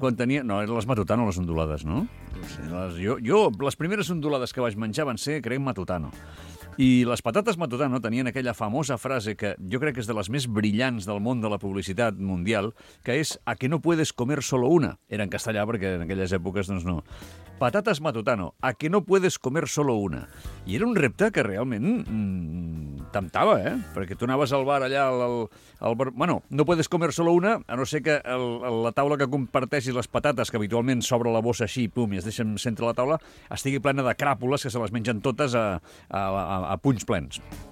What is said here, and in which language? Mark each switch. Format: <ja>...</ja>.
<ca>Quan tenia... No, eren les Matutano, les ondulades, no? No sé. Les primeres ondulades que vaig menjar van ser, crec, Matutano. I les patates Matutano tenien aquella famosa frase que jo crec que és de les més brillants del món de la publicitat mundial, que és</ca> <es>«A que no puedes comer solo una?».</es> <ca>Era en castellà, perquè en aquelles èpoques, doncs no. Patates Matutano,</ca> <es>«A que no puedes comer solo una?».</es> <ca>I era un repte que realment temptava, eh? Perquè tu anaves al bar allà... Bueno,</ca> <es>no puedes comer solo una,</es> <ca>a no ser que la taula que comparteixis les patates, que habitualment s'obre la bossa així, pum, i es deixen centre la taula, estigui plena de cràpules que se les mengen totes a punys plens.</ca>